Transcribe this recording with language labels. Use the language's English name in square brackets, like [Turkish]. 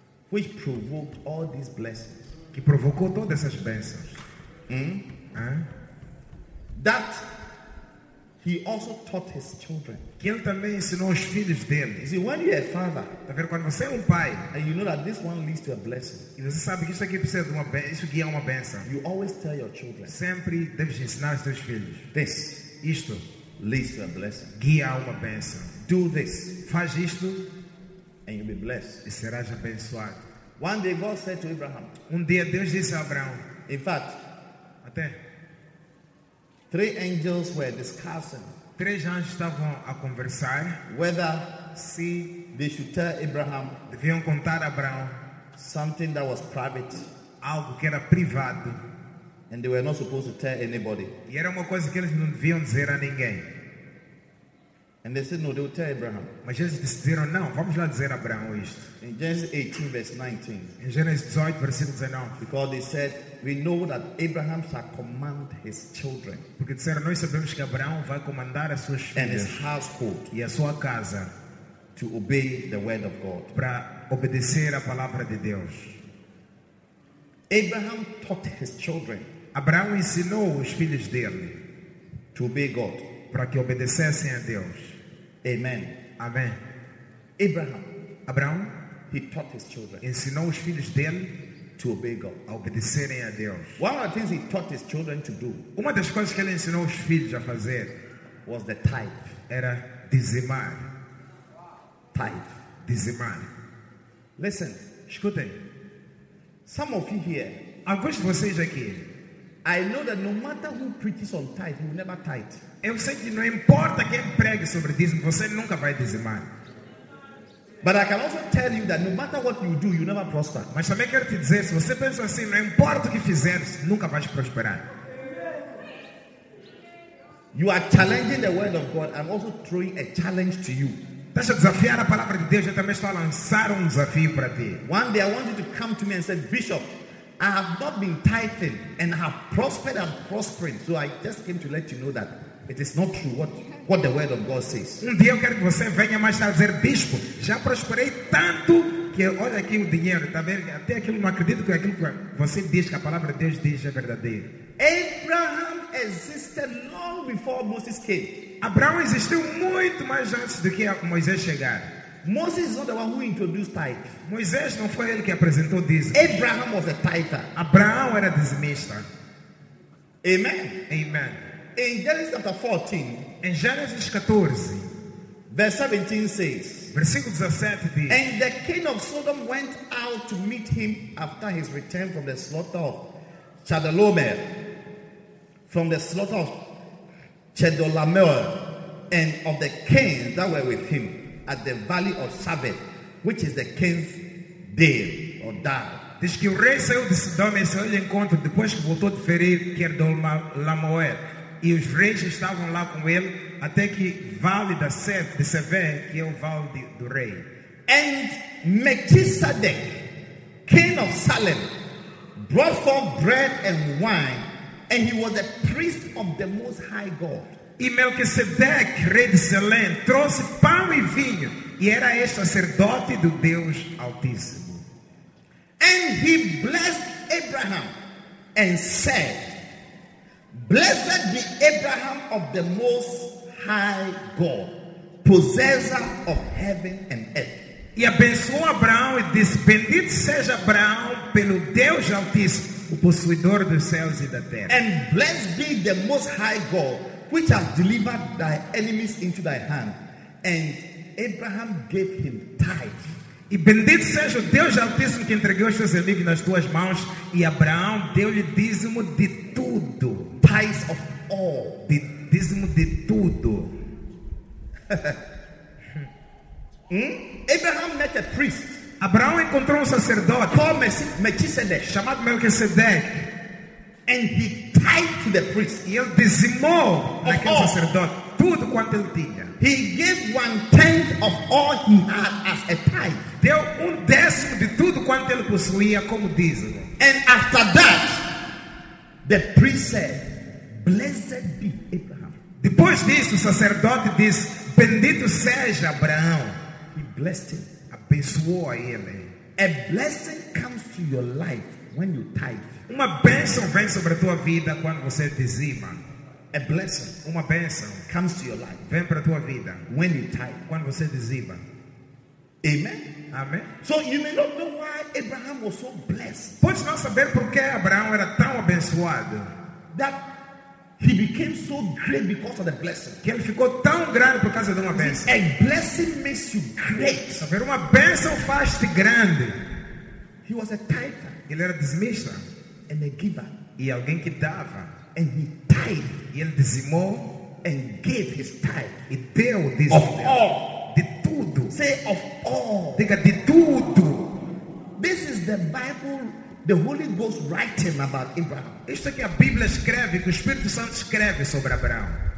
[English] Which provoked all these blessings. [Portuguese] Que provocou todas essas bênçãos. [English] That he also taught his children. [Portuguese] Que ele também ensinou os filhos dele. [English] You see, when you're a father, [Portuguese] tá vendo? Quando você é um pai, [English] and you know that this one leads to a blessing, [Portuguese] e você sabe que isso aqui precisa de uma bênção, isso aqui é uma bênção, [English] you always tell your children, [Portuguese] sempre deves ensinar os teus filhos. [English] This, [Portuguese] isto, [English] leads to a blessing. [Portuguese] Guia uma bênção. [English] Do this, [Portuguese] faz isto, [English] and you'll be blessed. [Portuguese] E serás abençoado. [English] One day God said to Abraham. [Portuguese] Um dia Deus disse a Abraão. [English] In fact, [Portuguese] até [English] three angels were discussing. [Portuguese] Três anjos estavam a conversar. [English] Whether [Portuguese] se [English] they should tell Abraham. [Portuguese] Deviam contar a Abraão [English] something that was private. [Portuguese] Algo que era privado. [English] And they were not supposed to tell anybody. [Portuguese] E era uma coisa que eles não deviam dizer a ninguém. [English] And they said, no, they will tell Abraham. [Portuguese] Mas eles disseram, não, vamos lá dizer a Abraão isto. [English] In Genesis 18, verse 19. [Portuguese] Em Gênesis 18, versículo 19. [English] Because they said, we know that Abraham shall command his children. [Portuguese] Porque disseram, nós sabemos que Abraão vai comandar as suas filhas. [English] And his household. [Portuguese] E a sua casa. [English] To obey the word of God. [Portuguese] Para obedecer a palavra de Deus. [English] Abraham taught his children. [Portuguese] Abraão ensinou os filhos dele. [English] To obey God. [Portuguese] Para que obedecessem a Deus. [English] Amen. [Portuguese] Amém. [English] Abraham. [Portuguese] Abraão. [English] He taught his children. [Portuguese] Ensinou os filhos dele. [English] To obey God. [Portuguese] A obedecerem a Deus. [English] One of the things he taught his children to do. [Portuguese] Uma das coisas que ele ensinou os filhos a fazer. [English] Was the tithe. [Portuguese] Era dizimar. [English] Tithe. [Portuguese] Dizimar. [English] Listen. [Portuguese] Escutem. [English] Some of you here. [Portuguese] Alguns de vocês aqui. [English] I know that no matter who preaches on tithe, he will never tithe. [Portuguese] Eu sei que não importa quem pregue sobre dízimo, você nunca vai dizimar. [English] But I can also tell you that no matter what you do, you never prosper. [Portuguese] Mas também quero te dizer, se você pensa assim, não importa o que fizeres, nunca vais prosperar. [English] You are challenging the word of God. I'm also throwing a challenge to you. [Portuguese] Estás a desafiar a palavra de Deus. Eu também estou a lançar desafio para ti. [English] One day I want you to come to me and say, Bishop, I have not been tithing and I have prospered and prospering. So I just came to let you know that it is not true what the word of God says. [Portuguese] Dia eu quero que você venha mais tarde dizer, Bispo, já prosperei tanto que olha aqui o dinheiro, tá vendo? Até aquilo não acredito que aquilo que você diz, que a palavra de Deus diz é verdadeira. [English] Abraham existed long before Moses came. [Portuguese] Abraão existiu muito mais antes do que Moisés chegar. [English] Moses is not the one who introduced tithe. [Portuguese] Moisés não foi ele que apresentou dízimo. [English] Abraham was a tither. [Portuguese] Abraão era dizimista. [English] Amen. [Portuguese] Amen. [English] In Genesis chapter 14, [Portuguese] em Gênesis 14, [English] verse 17 says, [Portuguese] versículo 17 diz, [English] and the king of Sodom went out to meet him after his return from the slaughter of Chedorlaomer, from the slaughter of Chedorlaomer, and of the kings that were with him at the valley of Shaveh, which is the king's dale or dal. [Portuguese] Diz que o rei saiu de Sodoma e saiu de encontro depois que voltou de ferir Chedorlaomer. E os reis estavam lá com ele até que vale da Sev, de Sever, que é o vale do rei. [English] And Melchizedek, king of Salem, brought forth bread and wine, and he was a priest of the Most High God. [Portuguese] E Melchizedek, rei de Salem, trouxe pão e vinho, e era este sacerdote do Deus Altíssimo. [English] And he blessed Abraham and said, blessed be Abraham of the Most High God, possessor of heaven and earth. [Portuguese] E abençoou Abraão e disse, bendito seja Abraão pelo Deus Altíssimo, o possuidor dos céus e da terra. [English] And blessed be the Most High God, which has delivered thy enemies into thy hand. And Abraham gave him tithe. [Portuguese] E bendito seja o Deus Altíssimo que entregou os seus inimigos nas tuas mãos. E Abraão deu-lhe dízimo de tudo. [English] Tithes of all. [Portuguese] Dízimo de tudo. [English] Abraham met a priest. [Portuguese] Abraão encontrou um sacerdote. [English] Called Melchizedek. [Portuguese] Chamado Melchizedek. [English] And he tithed to the priest. [Portuguese] E ele dizimou naquele sacerdote tudo quanto ele tinha. [English] He gave one tenth of all he had as a tithe. [Portuguese] Deu décimo de tudo quanto ele possuía como dízimo. [English] And after that, the priest said, blessed be Abraham. [Portuguese] Depois disso, o sacerdote disse, bendito seja Abraão. [English] He blessed him. [Portuguese] Abençoou a ele. [English] A blessing comes to your life when you tithe. [Portuguese] Uma bênção vem sobre a tua vida quando você dizima. [English] A blessing, [Portuguese] uma bênção, [English] comes to your life. [Portuguese] Vem para a tua vida [English] when you tithe. [Portuguese] Quando você dizima. [English] Amen. [Portuguese] Amen. [English] So you may not know why Abraham was so blessed. [Portuguese] Pode não saber por que Abraão era tão abençoado. [English] That he became so great because of the blessing. [Portuguese] Que ele ficou tão grande por causa de uma bênção. [English] A blessing makes you great. [Portuguese] Saber uma bênção faz-te grande. [English] He was a tither. [Portuguese] Ele era dizimista. [English] And a giver. [Portuguese] E alguém que dava. [English] And he tithe. [Portuguese] E ele dizimou. [English] And gave his tithe. [Portuguese] E deu dizimou. [English] Of all. [Portuguese] De tudo. [English] Say of all. [Portuguese] Diga de tudo. [English] This is the Bible, the Holy Ghost writing about Abraham. [Portuguese] Isto é que a Bíblia escreve, que o Espírito Santo escreve sobre Abraão.